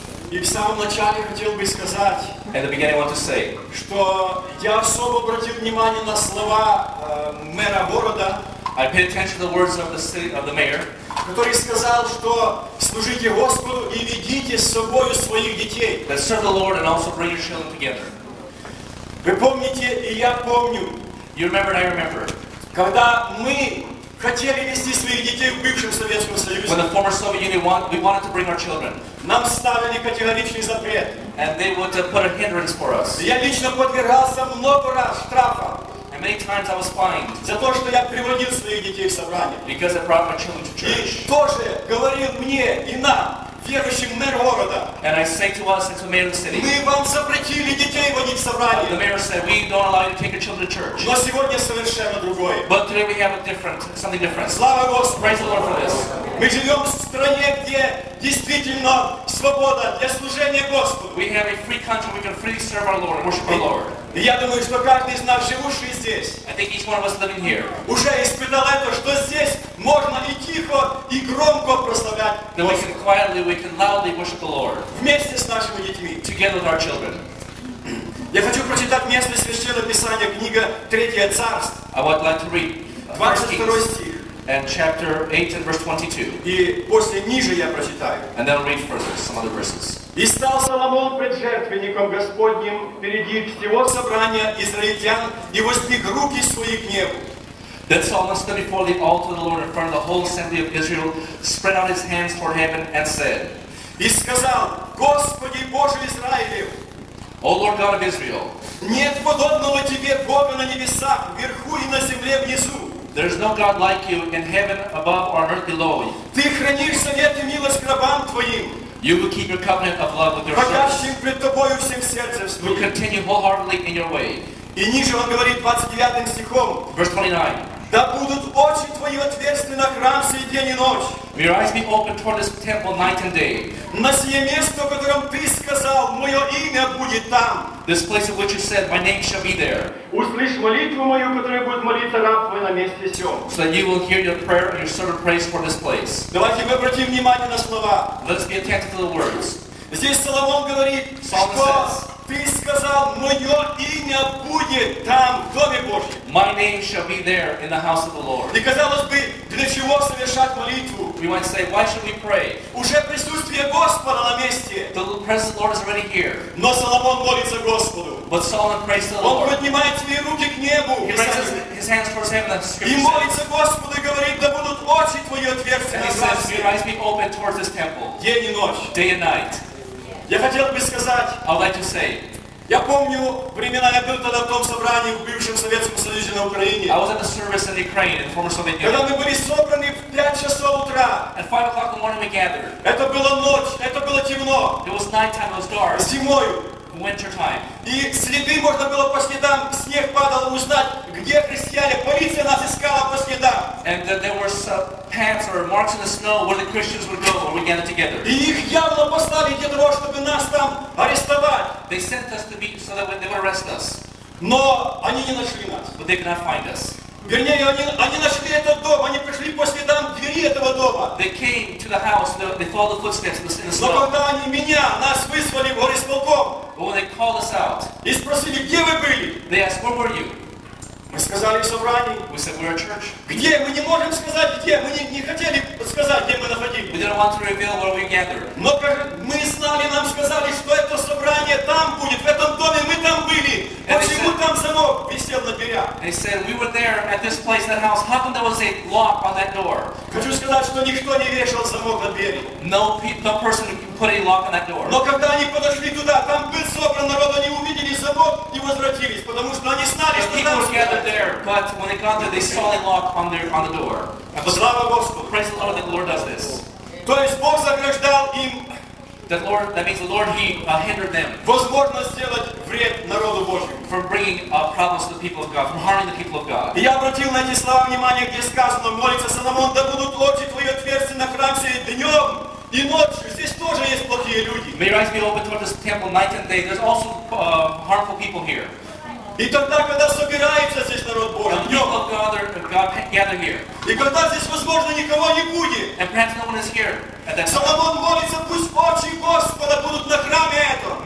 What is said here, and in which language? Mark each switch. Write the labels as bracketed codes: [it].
[ru] И в самом начале хотел бы сказать, [en] in the beginning I want to say, [ru] что я особо обратил внимание на слова мэра города, [en] I paid attention to the words of the city, of the mayor, [ru] который сказал, что служите Господу и ведите с собою своих детей. [en] That serve the Lord and also bring your children together. [ru] Вы помните, и я помню, [en] you remember and I remember, [ru] когда мы хотели вести своих детей в бывшем Советском Союзе. [en] When the former Soviet Union we wanted to bring our children. [ru] Нам ставили категоричный запрет. [en] And they would put a hindrance for us. [ru] Я лично подвергался много раз штрафам. [en] And many times I was fined. [ru] За то, что я приводил своих детей в собрание. [en] Because I brought my children to church. [ru] И тоже говорил мне и нам, верующим мэр города. [en] And I say to us and to the mayor of the city. [ru] Мы вам запретили детей водить в собрание. [en] The mayor said, we don't allow you to take your children to church. [ru] Но сегодня совершенно другое. [en] But today we have a different, something different. [ru] Слава Господу. [en] Praise the Lord for this. [ru] Мы живем в стране, где действительно свобода для служения Господу. [en] We have a free country, we can freely serve our Lord, worship our Lord. [ru] И я думаю, что каждый из нас, живущий здесь, [en] I think each one of us living here, [ru] уже испытал это, что здесь можно и тихо, и громко прославлять Господа. [en] That we can quietly, we can loudly worship the Lord. [ru] Вместе с нашими детьми. [en] Together with our children. [ru] Я хочу прочитать местное священное писание, книга Третье Царство. [en] I would like to read. [ru] 22 стих. [en] And chapter 8 and verse 22. [ru] И после ниже я прочитаю. [en] And then I'll read further some other verses. [ru] И стал Соломон пред жертвенником Господним впереди всего собрания израильтян и воздвиг руки свои к небу. [en] Then Solomon stood before the altar of the Lord in front of the whole assembly of Israel, spread out his hands toward heaven, and said, [ru] и сказал, Господи Боже Израилев, [en] O Lord God of Israel, [ru] нет подобного тебе Бога на небесах, вверху и на земле внизу. [en] There is no God like you in heaven above or on earth below you. [ru] Ты хранишь совет и милость рабам твоим. [en] You will keep your covenant of love with your servants. You will continue wholeheartedly in your way. [ru] И ниже он говорит 29 стихом. [en] Verse 29. [ru] Да будут очи твои отверстия на храм сей день и ночь. [en] May your eyes be open toward this temple night and day. [ru] На сие место, которым ты сказал, мое имя будет там. [en] This place of which you said, my name shall be there. [ru] Услышь молитву мою, которую будет молиться раб твой на месте сём. [en] So that you will hear your prayer and your servant prays for this place. [ru] Давайте мы обратим внимание на слова. [en] Let's be attentive to the words. [ru] Здесь Соломон говорит, что ты сказал, мое имя будет там, в доме Божьем. [en] My name shall be there in the house of the Lord. [ru] И казалось бы, для чего совершать молитву? [en] We might say, why should we pray? [ru] Уже присутствие Господа на месте. [en] The presence of the Lord is already here. [ru] Но Соломон молится Господу. [en] But Solomon prays to the [ru] Он [en] Lord. [ru] Он поднимает свои руки к небу. [en] He raises his hands towards heaven. [ru] И молится Господу и говорит, да будут очи твои отверстия на месте. [en] And he says, your eyes be open towards this temple. [ru] День и ночь. [en] Day and night. [ru] Я хотел бы сказать, [en] I would like to say, [ru] я помню времена, я был тогда в том собрании в бывшем Советском Союзе на Украине. [en] I was at the service in Ukraine, in the former Soviet Union. [ru] Когда мы были собраны в 5 часов утра. [en] At 5 o'clock in the morning we gathered. [ru] Это была ночь, это было темно. [en] It was night time, it was dark. [ru] Зимой. [en] Winter time. [ru] И следы можно было по следам, снег падал, узнать, где христиане. Полиция нас искала по следам. [en] And there were paths or marks in the snow where the Christians would go when we gathered together. [ru] И их явно послали для того, чтобы нас там арестовать. [en] They sent us to be so that they would arrest us. [ru] Но они не нашли нас. [en] But they could not find us. [ru] Вернее, они нашли этот дом, они пришли по следам двери этого дома. [en] They came to the house, they followed the footsteps in the snow. [ru] Но когда они меня, нас вызвали в горисполком. [en] But when they called us out, [ru] и спросили, где вы были? [en] They asked, where were you? [ru] Мы сказали в собрании. [en] We said, we're a church. [ru] Где? Мы не можем сказать, где. Мы не хотели сказать, где мы находились. [en] We didn't want to reveal where we gathered. [ru] Но мы знали, нам сказали, что это собрание там будет, в этом доме мы там были. [en] And [ru] почему [en] said, [ru] там замок висел на дверях? [en] They said, we were there at this place, that house. How come there was a lock on that door? [ru] Хочу сказать, что никто не вешал замок на двери. [en] No person put a lock on that door. [ru] Но когда они подошли туда, там был собран народ, они увидели замок и возвратились, потому что они знали, [en] the [ru] что там собрание. [en] There, but when they got there, they saw a lock on their on the door. [ru] Слава Господу! [en] Praise the Lord that the Lord does this. [ru] То есть Бог заграждал им. [en] That means the Lord hindered them. [ru] Возможно сделать вред народу Божьему. [en] From bringing problems to the people of God, from harming the people of God. [ru] И я обратил на эти слова внимание, где сказано, молится Соломон, да будут очи твои отверстия на храм сей днем и ночью. Здесь тоже есть плохие люди. [en] May your eyes be open toward this temple night and day. There's also harmful people here. [ru] И тогда, когда собирается здесь народ Божий, и когда здесь, возможно, никого не будет, Соломон молится, пусть очи Господа будут на храме этом.